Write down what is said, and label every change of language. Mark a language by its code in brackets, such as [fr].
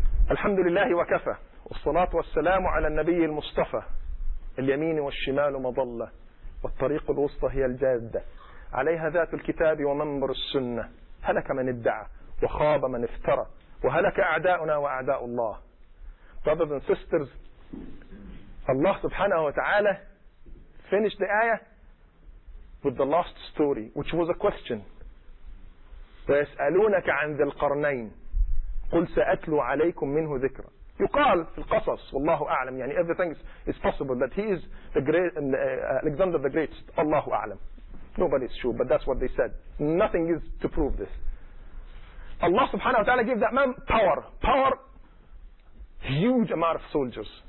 [ar] الحمد لله وكفى والصلاة والسلام على النبي المصطفى اليمين والشمال مضلة والطريق الوسطى هي الجادة عليها ذات الكتاب ومنبر السنة هلك من ادعى وخاب من افترى وهلك أعداؤنا وأعداء الله. [en] Brothers and sisters, Allah سبحانه وتعالى finished the ayah with the last story, which was a question. [ar] ويسألونك عن ذي القرنين قل سأتلو عليكم منه ذكرا. يقال في القصص والله أعلم, يعني [en] everything is possible that he is the great, Alexander the Great, [ar] الله أعلم. [en] Nobody is sure, but that's what they said. Nothing is to prove this. Allah subhanahu wa ta'ala gave that man power. Power, huge amount of soldiers.